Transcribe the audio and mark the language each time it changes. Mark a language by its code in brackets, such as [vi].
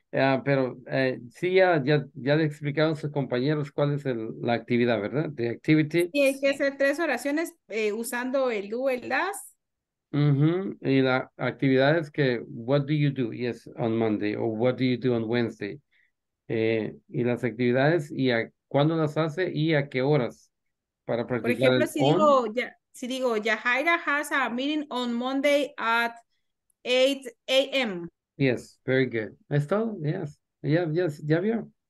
[es] Ya le explicaron a sus compañeros cuál es la actividad, ¿verdad? [en] The activity. [es] Sí, hay que hacer 3 oraciones usando el do, el das. Y la actividad es que, [en] what do you do? Yes, on Monday, or what do you do on Wednesday? [es] Y las actividades, y a cuándo las hace y a qué horas para practicar. Por ejemplo, si digo, [en] Yahaira has a meeting on Monday at 8 a.m. Yes, very good. [es] ¿Es todo? [en] Yes. Yes, [es] ¿ya vio?